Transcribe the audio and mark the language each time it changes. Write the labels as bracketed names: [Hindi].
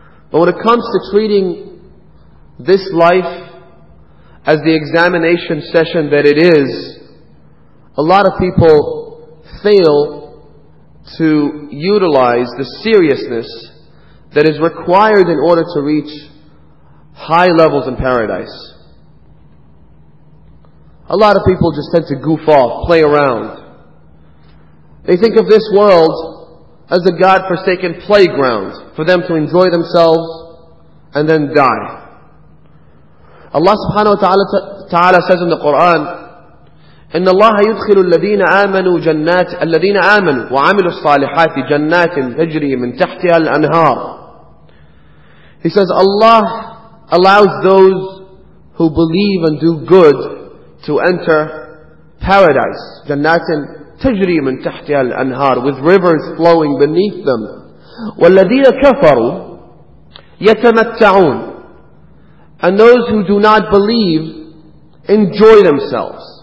[English] But when it comes to treating this life as the examination session that it is, a lot of people fail to utilize the seriousness that is required in order to reach high levels in paradise. A lot of people just tend to goof off, play around. They think of this world as a God-forsaken playground for them to enjoy themselves and then die. [Arabic] Allah subhanahu wa ta'ala [English] says in the Quran, [Arabic] إِنَّ اللَّهَ يُدْخِلُ الَّذِينَ آمَنُوا جَنَّاتٍ الَّذِينَ آمَنُوا وَعَمِلُوا الصَّالِحَاتِ جَنَّاتٍ تَجْرِي مِنْ تَحْتِهَا الْأَنْهَارِ. [English] He says, Allah allows those who believe and do good to enter paradise. [Arabic] جَنَّاتٍ تَجْرِي مِنْ تَحْتِهَا الْأَنْهَارِ, [English] with rivers flowing beneath them. [Arabic] وَالَّذِينَ كَفَرُوا يَتَمَتَّعُونَ, [English] and those who do not believe enjoy themselves.